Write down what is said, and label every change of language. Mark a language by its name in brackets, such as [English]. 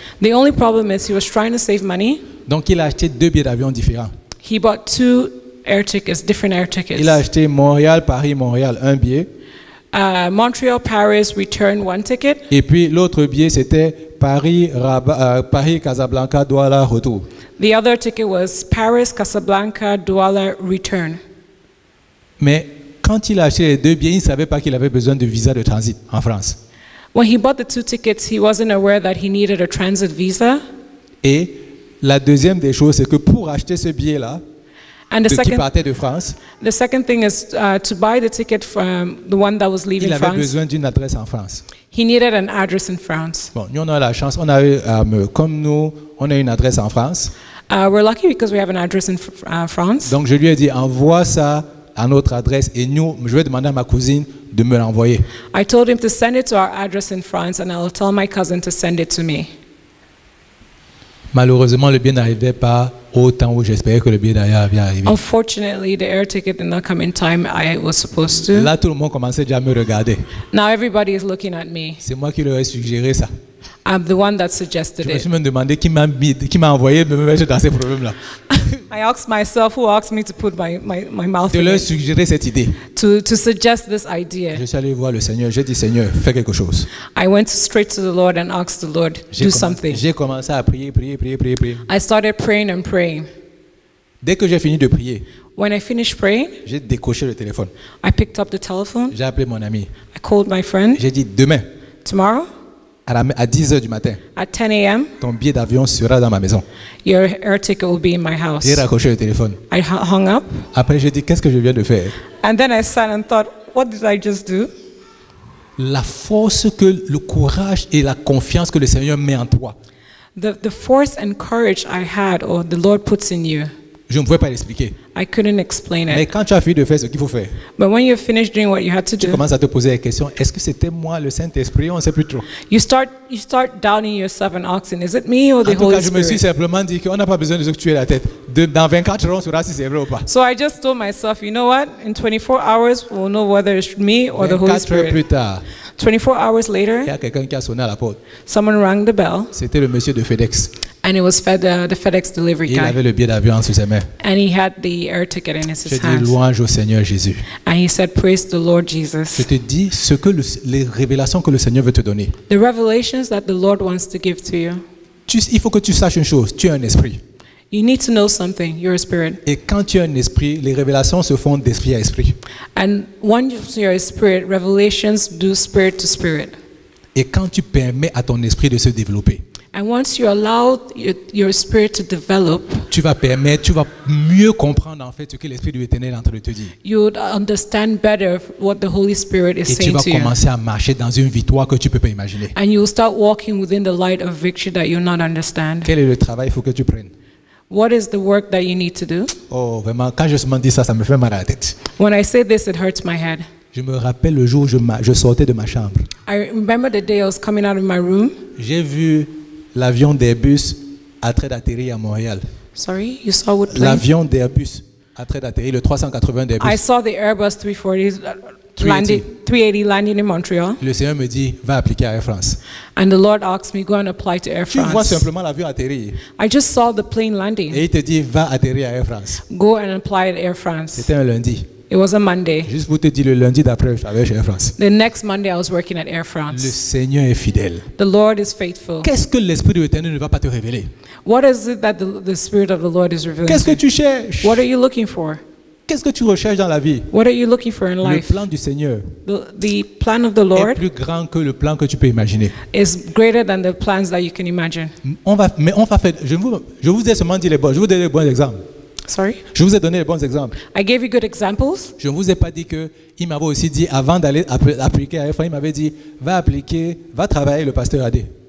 [English] The only problem is he was trying to save money. [French] Donc il a acheté deux billets d'avion différents. [English] He bought two air tickets, different air tickets. [French] Il a acheté Montréal, Paris, Montréal, un billet. [English] Montreal, Paris, return one ticket. [French] Et puis l'autre billet c'était Paris, Casablanca, Douala, retour. [English] The other ticket was Paris, Casablanca, Douala, return. [French] Mais quand il a acheté les deux billets, il ne savait pas qu'il avait besoin de visa de transit en France. [English] When he bought the two tickets, he wasn't aware that he needed a transit visa. [French] Et la deuxième des choses, c'est que pour acheter ce billet-là, qui partait de France, [English] the second thing is to buy the ticket from the one that was leaving France. [French] Il avait besoin d'une adresse en France. [English] He needed an address in France. [French] Bon, nous on a la chance, on a eu comme nous, on a une adresse en France. [English] We're lucky because we have an address in France. [French] Donc je lui ai dit, envoie ça à notre adresse et nous, je vais demander à ma cousine de me l'envoyer. [English] I told him to send it to our address in France and I'll tell my cousin to send it to me. [French] Malheureusement, le billet n'arrivait pas au temps où j'espérais que le billet d'ailleurs avait arrivé. [English] Unfortunately, the air ticket did not come in time I was supposed to. [French] Là, tout le monde commençait déjà à me regarder. [English] Now everybody is looking at me. [French] C'est moi qui leur ai suggéré ça. [English] I'm the one that suggested [French] it. Je me suis même demandé qui m'a envoyé me mettre dans ces problèmes-là. [English] I asked myself, who asked me to put my mouth [French] de leur suggérer cette idée. [English] To suggest this idea. [French] Je suis allé voir le Seigneur. J'ai dit, Seigneur, fais quelque chose. [English] I went straight to the Lord and asked the Lord, do something. [French] J'ai commencé à prier. [English] I started praying and praying. [French] Dès que j'ai fini de prier, [English] when I finished praying, [French] j'ai décroché le téléphone. [English] I picked up the telephone. [French] J'ai appelé mon ami. [English] I called my friend. [French] J'ai dit, demain. [English] Tomorrow. [French] À 10h du matin. [English] At 10 a.m. [French] Ton billet d'avion sera dans ma maison. [English] Your air ticket will be in my house. [French] J'ai raccroché le téléphone. [English] I hung up. [French] Après, j'ai dit, qu'est-ce que je viens de faire? [English] And then I sat and thought, what did I just do? [French] La force que le courage et la confiance que le Seigneur met en toi. [English] The force and courage I had or the Lord puts in you. [French] Je ne pouvais pas l'expliquer. [English] I couldn't explain [French] it. Mais quand tu as fini de faire ce qu'il faut faire, [English] but when you're finished doing what you had to do, [French] tu commences à te poser la question, est-ce que c'était moi le Saint-Esprit? On ne sait plus trop. [English] You start doubting yourself and asking, is it me or the Holy Spirit? [French] En tout cas, je me suis simplement dit qu'on n'a pas besoin de se tuer la tête. Dans 24 heures, on saura si c'est vrai ou pas. [English] So I just told myself, you know what? In 24 hours, we'll know whether it's me or the Holy Spirit. [French] 24 heures plus tard, [English] 24 hours later, [French] il y a quelqu'un qui a sonné à la porte. [English] Someone rang the bell. [French] C'était le monsieur de FedEx. [English] And it was the FedEx delivery guy. [French] Il avait le billet d'avion sous ses mains. [English] And he had the air ticket in his hands. [French] Je dis louange au Seigneur Jésus. [English] And he said, praise the Lord Jesus. [French] Je te dis ce que les révélations que le Seigneur veut te donner. [English] The revelations that the Lord wants to give to you. [French] Il faut que tu saches une chose. Tu es un esprit. [English] You need to know something. You're a spirit. [French] Et quand tu es un esprit, les révélations se font d'esprit à esprit. [English] And when you're a spirit, revelations do spirit to spirit. [French] Et quand tu permets à ton esprit de se développer. [English] And once you allow your spirit to develop, [French] tu vas mieux comprendre en fait ce que l'Esprit de l'Éternel est en train de te dire. [English] You would understand better what the Holy Spirit is saying to you. [French] Et tu vas commencer à marcher dans une victoire que tu peux pas imaginer. [English] And you will start walking within the light of victory that you not understand. [French] Quel est le travail qu'il faut que tu prennes? [English] What is the work that you need to do? [French] Oh, vraiment, quand je me dis ça, ça me fait mal à la tête. [English] When I say this, it hurts my head. [French] Je me rappelle le jour où je sortais de ma chambre. [English] I remember the day I was coming out of my room. [French] J'ai vu l'avion d'Airbus en train d'atterrir à Montréal. [English] Sorry, you saw what plane? [French] L'avion d'Airbus en train d'atterrir, le 380 d'Airbus. [English] I saw the Airbus 340 landing, 380 landing in Montreal. [French] Le Seigneur me dit, va appliquer à Air France. [English] And the Lord asked me, go and apply to Air France. [French] Tu vois simplement l'avion atterrir. [English] I just saw the plane landing. [French] Et il te dit, va atterrir à Air France. [English] Go and apply at Air France. [French] C'était un lundi. [English] It was a Monday. [French] Juste pour te dire, le lundi d'après, je travaillais chez Air France. [English] The next Monday, I was working at Air France. [French] Le Seigneur est fidèle. [English] The Lord is faithful. [French] Qu'est-ce que l'Esprit de l'Éternel ne va pas te révéler? [English] What is it that the Spirit of the Lord is revealing? [French] Qu'est-ce que tu cherches? [English] What are you looking for? [French] Qu'est-ce que tu recherches dans la vie? [English] What are you looking for in life? [French] Le plan du Seigneur. [English] The plan of the Lord [French] est plus grand que le plan que tu peux imaginer. [English] Is greater than the plans that you can imagine. [French] Je vous ai seulement dit les bons exemples. [English] Sorry. [French] Je vous ai donné les bons exemples. [English] I gave you good examples. [French] Je ne vous ai pas dit que il m'avait aussi dit avant d'aller appliquer à FM, il m'avait dit va travailler le pasteur Adé.